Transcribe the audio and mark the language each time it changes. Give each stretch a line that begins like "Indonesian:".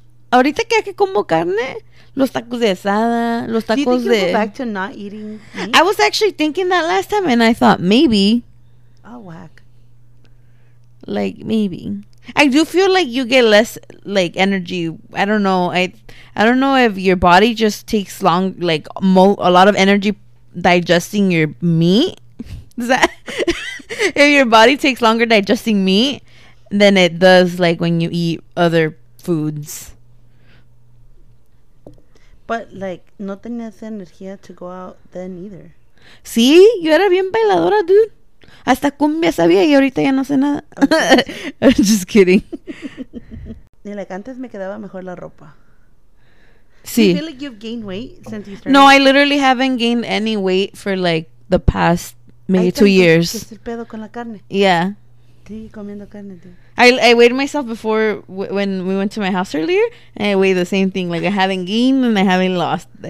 Spanish: Ahorita que hay que como carne, los tacos de asada, los tacos de...
English: Do you think you'll go back to not eating meat? I was actually thinking that last time and I thought maybe. Oh, whack. Like, maybe. I do feel like you get less, like, energy. I don't know. I don't know if your body just takes long, like, a lot of energy digesting your meat. Is that... If your body takes longer digesting meat than it does, like, when you eat other foods. But, like,
Spanish: no tenías energía
English: to go out then either.
Spanish: Sí, yo era bien bailadora, dude. Hasta cumbia sabía y ahorita ya no sé nada.
English: I'm just kidding.
Spanish: Y like, antes me quedaba mejor la ropa. Sí.
English: Do you feel like you've gained weight since you started? No, I literally haven't gained any weight for, like, the past, maybe 2 years.
Spanish: Que es el pedo con la carne.
English: Yeah.
Spanish: Sí, comiendo carne, tío.
English: I weighed myself before when we went to my house earlier, and I weighed the same thing. Like, I haven't gained and I haven't lost.